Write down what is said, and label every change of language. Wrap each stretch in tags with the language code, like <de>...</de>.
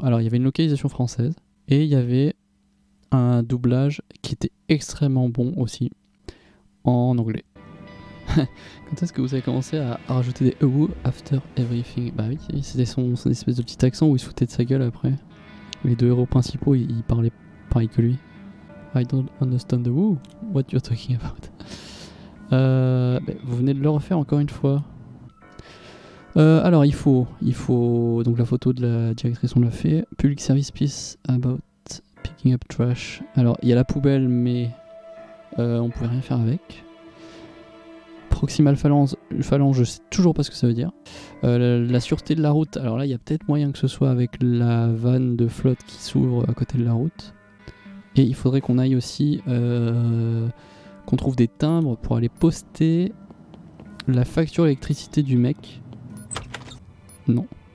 <fr>Alors il y avait une localisation française et il y avait un doublage qui était extrêmement bon aussi en anglais. Quand est-ce que vous avez commencé à rajouter des</fr> <en>"oh after everything"?</en> <fr>Bah oui, c'était son espèce de petit accent où il se foutait de sa gueule après. Les deux héros principaux, ils parlaient pareil que lui.</fr> <en>I don't understand the what you're talking about.</en> <fr>Vous venez de le refaire encore une fois. Alors, il faut donc la photo de la directrice, on l'a fait.</fr> <en>Public service piece about picking up trash.</en> <fr>Alors, il y a la poubelle, mais on pouvait rien faire avec. Proximal phalange, je sais toujours pas ce que ça veut dire. La sûreté de la route, alors là, il y a peut-être moyen que ce soit avec la vanne de flotte qui s'ouvre à côté de la route. Et il faudrait qu'on aille aussi, qu'on trouve des timbres pour aller poster la facture électricité du mec. Non.</fr>